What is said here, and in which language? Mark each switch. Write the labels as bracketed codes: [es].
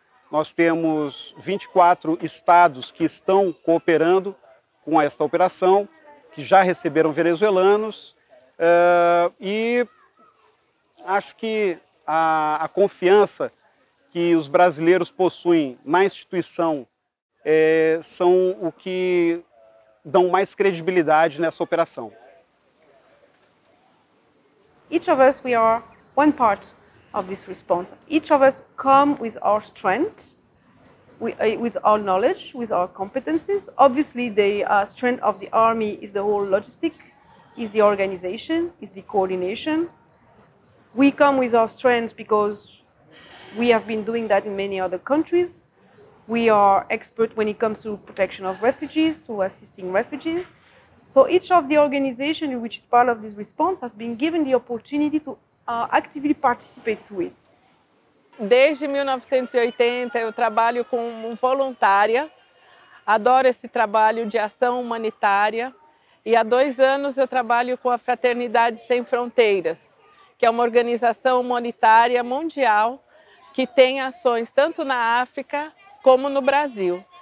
[pt] Nós temos 24 estados que estão cooperando com esta operação, que já receberam venezuelanos, e acho que a confiança que os brasileiros possuem na instituição são o que dão mais credibilidade nessa operação. [en] Each of us, we are one part of this response. Each of us come with our strength, with our knowledge, with our competencies. Obviously, the strength of the army is the whole logistic, is the organization, is the coordination. We come with our strength because we have been doing that in many other countries. We are expert when it comes to protection of refugees, to assisting refugees. So each of the organization which is part of this response has been given the opportunity to actively participate to it. [pt] Desde 1980 eu trabalho como voluntária. Adoro esse trabalho de ação humanitária E há 2 anos eu trabalho com a Fraternidade Sem Fronteiras, que é uma organização humanitária mundial que tem ações tanto na África como no Brasil.